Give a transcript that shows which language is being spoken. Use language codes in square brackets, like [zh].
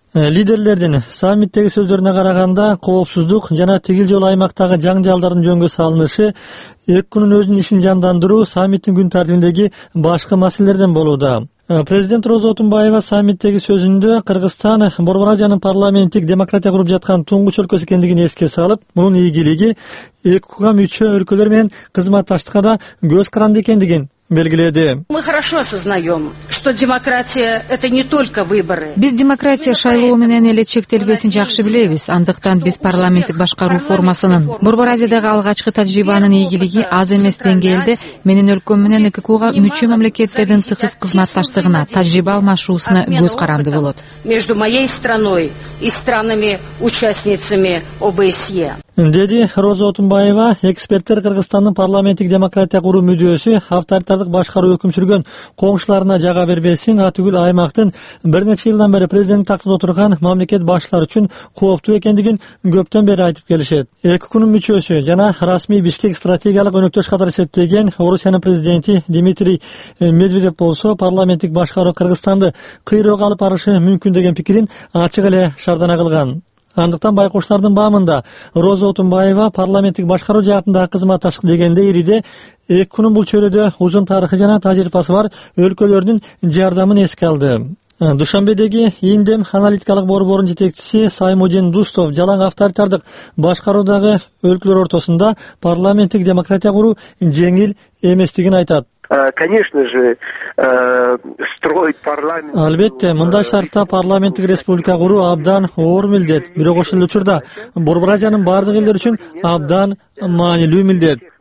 [ky] Лидерлердин саммиттеги сөздөрүнө караганда, коопсуздук жана тигил жол аймактагы жаңжалдардын жөнгө салынышы эки күнүн өзүнүн ишин жандандыруу саммиттин күн тартибиндеги башкы маселелерден болууда. Президент Роза Отунбаева саммиттеги сөзүндө Кыргызстан Борбор Азиянын парламенттик демократия куруп жаткан туңгуч өлкөсү экендигин эске салып, мунун ийгилиги эки күнгө мүчө өлкөлөр менен кызматташтыкка да көз каранды экендигин белгиледи. [ru] Мы хорошо осознаем, что демократия это не только выборы. [ky] Биз демократия шайлоо менен эле чектелбесин жакшы билебиз. Андыктан биз парламенттик башкаруу формасынын Борбор Азиядагы алгачкы тажрыйбанын ийгилиги аз эмес деңгээлде менин өлкөм менен ЭККУга мүчө мамлекеттердин тыгыз кызматташтыгына, тажрыйба алмашуусуна көз каранды болот. [ru] Между моей страной и странами участницами ОБСЕ. [ky] Деди Роза Отунбаева, эксперттер Кыргызстандын парламенттик демократия куруу мүдөөсү авторитардык башкаруу өкүм сүргөн коңшуларына жага бербесин, атүгүл аймактын бир нече жылдан бери президент тактында отурган мамлекет башчылары үчүн кооптуу экендигин көптөн бери айтып келишет. Эки күнүн мүчөсү жана расмий Бишкек стратегиялык өнөктөш катары эсептеген Орусиянын президенти Дмитрий Медведев болсо, парламенттик башкаруу Кыргызстанды кыйроого алып барышы мүмкүн деген пикирин ачык эле шардана кылган. Андыктан байкоштордун баамында Роза Отунбаева парламенттик башкаруу жаатындагы кызматташтык дегенде ириде эки күнүн бул чөйрөдө узун тарыхы жана тажрыйбасы бар өлкөлөрдүн жардамын эске алды. Душанбедеги Индем аналитикалык борборунун жетекчиси Саймудин Дустов жалаң авторитардык башкаруудагы өлкөлөр ортосунда парламенттик демократия куруу жеңил эместигин айтат. [ru] Конечно же, строить парламент. [ky] Албетте, мындай шартта парламенттик республика куруу абдан оор милдет, бирок ошол учурда Борбор Азиянын бардык элдери үчүн абдан маанилүү милдет.